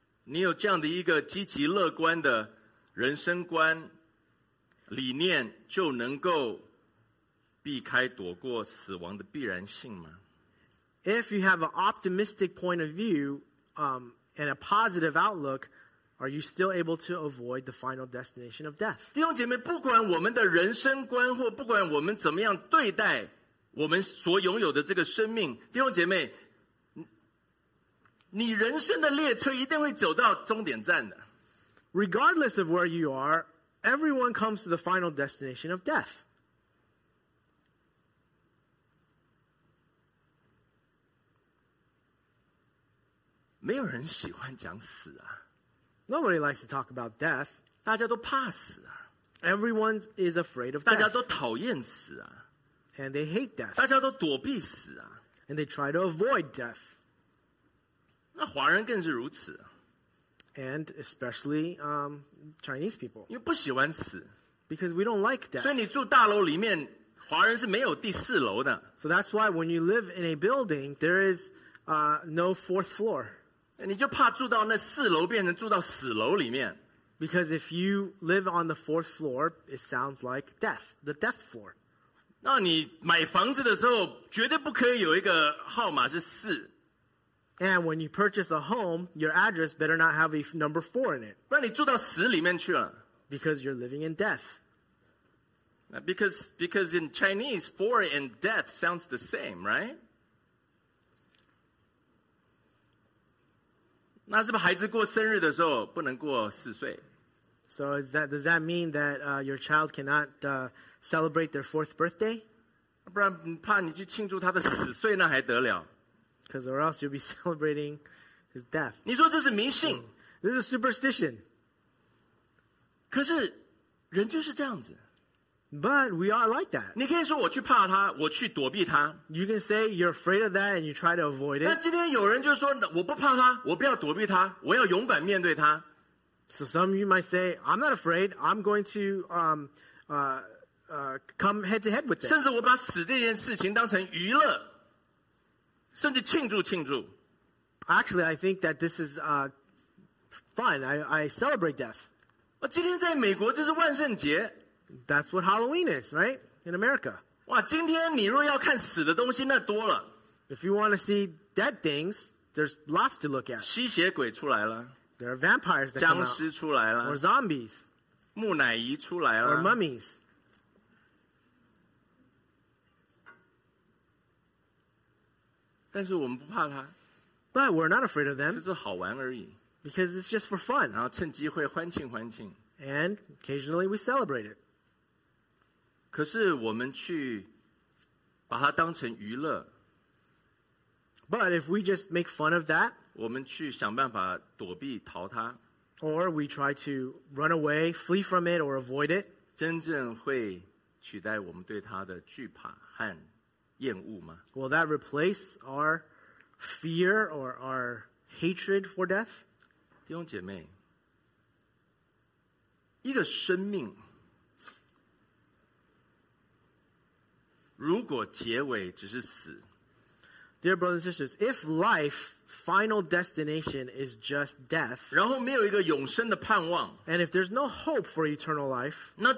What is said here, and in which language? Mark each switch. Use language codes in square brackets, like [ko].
[zh] 你有这样的一个积极乐观的人生观理念，就能够避开躲过死亡的必然性吗？ [en] If you have an optimistic point of view, and a positive outlook,Are you still able to avoid the final destination of death? [zh] 弟兄姐妹，不管我们的人生观，或不管我们怎么样对待我们所拥有的这个生命，弟兄姐妹，你人生的列车一定会走到终点站的。 [en] Regardless of where you are, everyone comes to the final destination of death. [zh] 没有人喜欢讲死啊。 [en] Nobody likes to talk about death. [zh] 大家都怕死啊。 [en] Everyone is afraid of death. [zh] 大家都讨厌死啊。 [en] And they hate death. [zh] 大家都躲避死啊。 [en] And they try to avoid death. [zh] 那华人更是如此。 [en] And especially Chinese people. [zh] 因为不喜欢死。 [en] Because we don't like death. [zh] 所以你住大楼里面，华人是没有第四楼的。 [en] So that's why when you live in a building, there is no fourth floor. [zh] 你就怕住到那四楼变成住到死楼里面。 [en] Because if you live on the fourth floor, it sounds like death, the death floor. [zh] 那你买房子的时候绝对不可以有一个号码是四。 [en] And when you purchase a home, your address better not have a number four in it. [zh] 不然你住到死里面去了。 [en] Because you're living in death. Because in Chinese, four and death sounds the same, right? [zh] 那是不是孩子过生日的时候不能过四岁 [en] ？So is that, does that mean that your child cannot celebrate their fourth birthday? [zh] 不然怕你去庆祝他的死岁那还得了 [en] ？Because or else you'll be celebrating his death. [zh] 你说这是迷信 [en] ？This is superstition. [zh] 可是人就是这样子。 [en] But we are like that. [zh] 你可以说我去怕他，我去躲避他。 [en] You can say you're afraid of that and you try to avoid it. [zh] 那今天有人就说我不怕他，我不要躲避他，我要勇敢面对他。 [en] So some of you might say, I'm not afraid. I'm going to come head to head with it. [zh] 甚至我把死这件事情当成娱乐，甚至庆祝庆祝。 [en] Actually, I think that this is fun. I celebrate death. [zh] 我今天在美国这是万圣节。 [en] That's what Halloween is, right? In America. [zh] 哇，今天你若要看死的东西，那多了。 [en] If you want to see dead things, there's lots to look at. [zh] 吸血鬼出来了。 [en] There are vampires that come out. [zh] 僵尸出来了。 [en] Or zombies. [zh] 木乃伊出来了。 [en] Or mummies. [zh] 但是我们不怕它。 [en] But we're not afraid of them. [zh] 只是好玩而已。 [en] Because it's just for fun. [zh] 然后趁机会欢庆欢庆。 [en] And occasionally we celebrate it. [zh] 可是我们去把它当成娱乐, [en] but if we just make fun of that, [zh] 我们去想办法躲避逃它, [en] or we try to run away, flee from it, or avoid it, [zh] 真正会取代我们对它的惧怕和厌恶吗? [en] Will that replace our fear or our hatred for death? [zh] 弟兄姐妹, 一个生命, 如果结尾只是死, [en] dear brothers and sisters, if life final destination is just death, [zh] 然后没有一个永生的盼望, [en] and if there's no hope for eternal life,